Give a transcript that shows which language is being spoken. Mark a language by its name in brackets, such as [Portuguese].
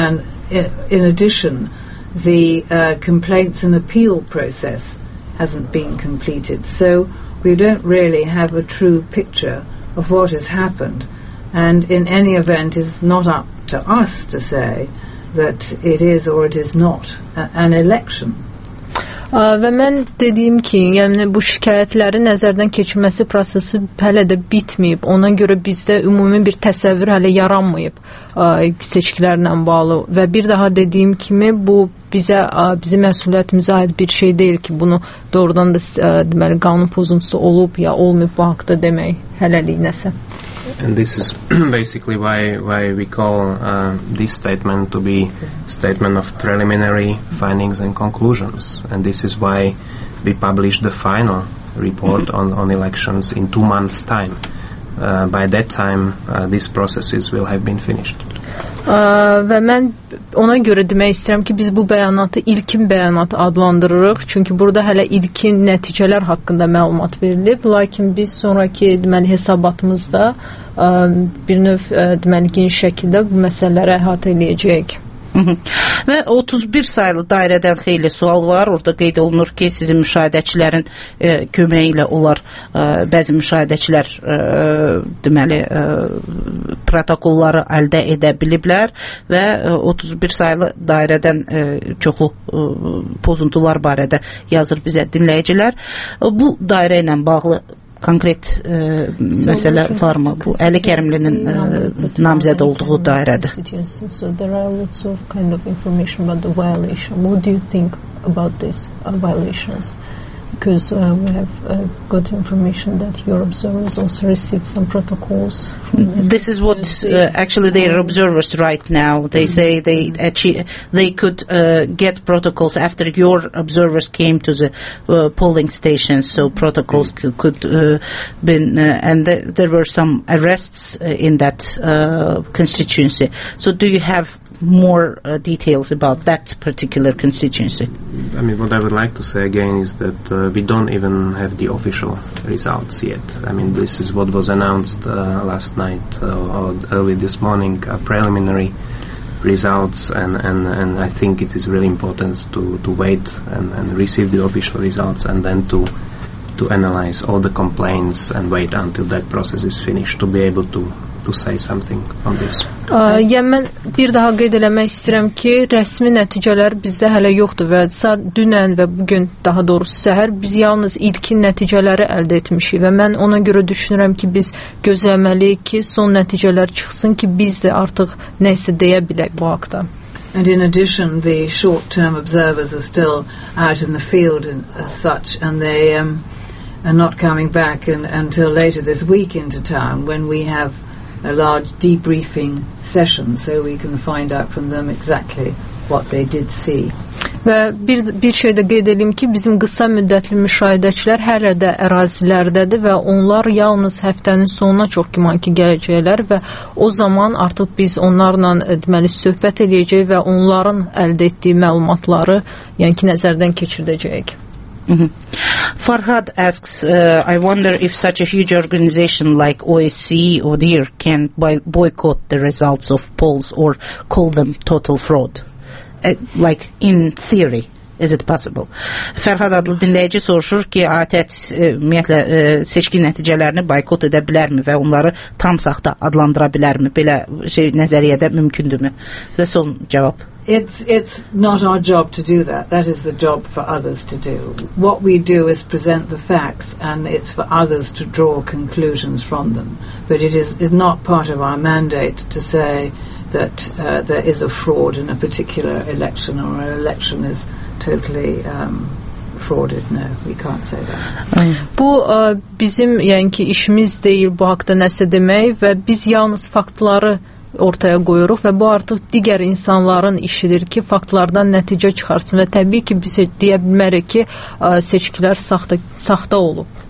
[English] And in addition, the complaints and appeal process hasn't been completed. So we don't really have a true picture of what has happened. And in any event, it's not up to us to say that it is or it is not an election. [Azerbaijani] Və mən dediyim ki, yəni bu şikayətlərin nəzərdən keçirməsi prosesi hələ də bitməyib. Ona görə bizdə ümumi bir təsəvvür hələ yaranmayıb seçkilərlə bağlı. Və bir daha dediyim kimi, bu bizim məsuliyyətimizə aid bir şey deyil ki, bunu doğrudan da deməli, qanun pozuntusu olub ya olmayıb bu haqda demək hələlik nəsə. [English] And this is basically why we call this statement to be statement of preliminary findings and conclusions. And this is why we published the final report on elections in 2 months' time. By that time, these processes will have been finished. [Azerbaijani] Və mən ona görə demək istəyirəm ki, biz bu bəyanatı ilkin bəyanatı adlandırırıq. Çünki burada hələ ilkin nəticələr haqqında məlumat verilib. Lakin biz sonraki deməli, hesabatımızda bir növ deməli, geniş şəkildə bu məsələlərə əhatə eləyəcəyik. Və 31 saylı dairədən xeyli sual var. Orada qeyd olunur ki, sizin müşahidəçilərin köməyi ilə onlar, bəzi müşahidəçilər deməli, protokolları əldə edə biliblər və 31 saylı dairədən çoxu pozuntular barədə yazır bizə dinləyicilər. Bu dairə ilə bağlı konkret məsələ var mı? Bu Əli Kərimlinin namizəd olduğu dairədir. [English] So there are lots of kind of information about the violation. What do you think about these violations? Because we have got information that your observers also received some protocols. This is what actually their observers write now. They say they could get protocols after your observers came to the polling stations, so protocols could been and there were some arrests in that constituency. So do you have more details about that particular constituency? I mean, what I would like to say again is that we don't even have the official results yet. I mean, this is what was announced last night or early this morning, preliminary results, and I think it is really important to wait and receive the official results and then to analyze all the complaints and wait until that process is finished to be able to say something on this. [Azerbaijani] Yəni, mən bir daha qeyd eləmək istəyirəm ki, rəsmi nəticələr bizdə hələ yoxdur və dünən və bugün daha doğrusu səhər biz yalnız ilkin nəticələri əldə etmişik və mən ona görə düşünürəm ki, biz gözləməliyik ki, son nəticələr çıxsın ki, biz də artıq nəsə deyə bilək bu haqda. [English] And in addition, the short-term observers are still out in the field and as such, and they are not coming back until later this week into town when we have a large debriefing session so we can find out from them exactly what they did see. [Azerbaijani] Və bir şey də qeyd edim ki, bizim qısa müddətli müşahidəçilər hələ də ərazilərdədir və onlar yalnız həftənin sonuna çox güman ki, gələcəklər və o zaman artıq biz onlarla deməli, söhbət edəcək və onların əldə etdiyi məlumatları yəni ki, nəzərdən keçirdəcəyik. Mm-hmm. [English] Farhad asks, I wonder if such a huge organization like OSCE or DEAR can boycott the results of polls or call them total fraud. Like, in theory, is it possible? [Azerbaijani] Ferhad adlı dinləyici soruşur ki, ATƏT ümumiyyətlə seçki nəticələrini boykot edə bilərmi və onları tam saxta adlandıra bilərmi? Belə şey nəzəriyyədə mümkündürmü? Və son cavab. [English] It's not our job to do that. That is the job for others to do. What we do is present the facts, and it's for others to draw conclusions from them. But it is not part of our mandate to say that there is a fraud in a particular election or an election is totally frauded. No, we can't say that. [Azerbaijani] Bu bizim yəni ki işimiz deyil bu haqda nəsə demək və biz yalnız faktları ortaya qoyuruq və bu artıq digər insanların işidir ki, faktlardan nəticə çıxarsın və təbii ki, biz deyə bilmərik ki, seçkilər saxta olub.